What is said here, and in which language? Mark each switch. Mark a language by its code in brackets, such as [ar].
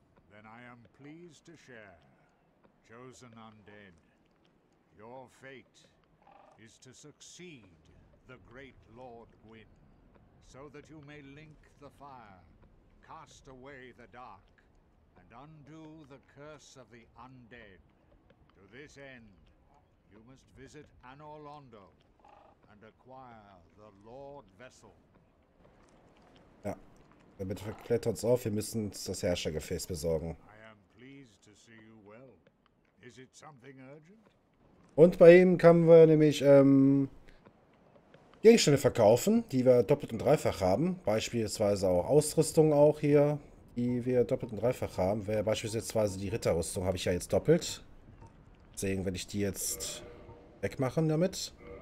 [en] Then I am pleased to share, chosen undead, your fate is to succeed the great Lord Gwyn, so that you may link the fire, cast away the dark, and undo the curse of the undead. To this end, you must visit Anor Londo and acquire the Lord Vessel. [de] Ja, damit klärt uns auf, wir müssen das Herrschergefäß besorgen. [en] I am pleased to see you well. Is it something urgent? [de] Und bei ihm können wir nämlich Gegenstände verkaufen, die wir doppelt und dreifach haben. Beispielsweise auch Ausrüstung auch hier, die wir doppelt und dreifach haben. Beispielsweise die Ritterrüstung habe ich ja jetzt doppelt. sehen, wenn ich die jetzt wegmache damit.